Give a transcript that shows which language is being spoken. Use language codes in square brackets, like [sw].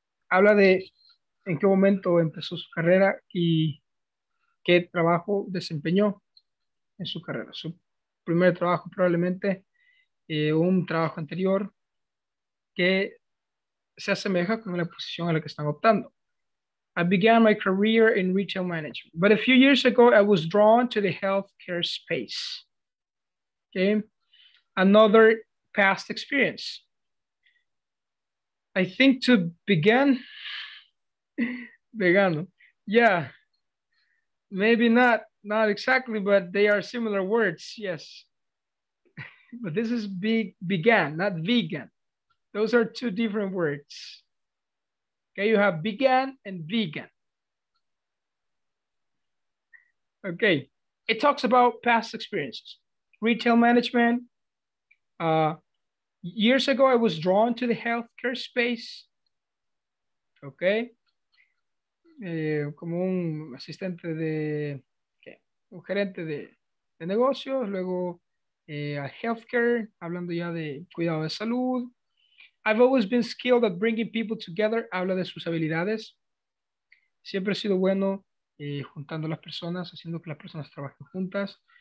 [es] Habla de en qué momento empezó su carrera y qué trabajo desempeñó en su carrera. Su primer trabajo probablemente, un trabajo anterior que se asemeja con la posición a la que están optando. [en] I began my career in retail management, but a few years ago I was drawn to the healthcare space. Okay. Another past experience. I think to begin vegano. Yeah. Maybe not exactly, but they are similar words. Yes. But this is began, not vegan. Those are two different words. Okay, you have began and vegan. Okay. It talks about past experiences. Retail management. Years ago, I was drawn to the healthcare space. Okay. [es] Como un asistente de, okay, un gerente de negocios, luego a healthcare, hablando ya de cuidado de salud. [en] I've always been skilled at bringing people together. [es] Habla de sus habilidades. Siempre he sido bueno juntando las personas, haciendo que las personas trabajen juntas.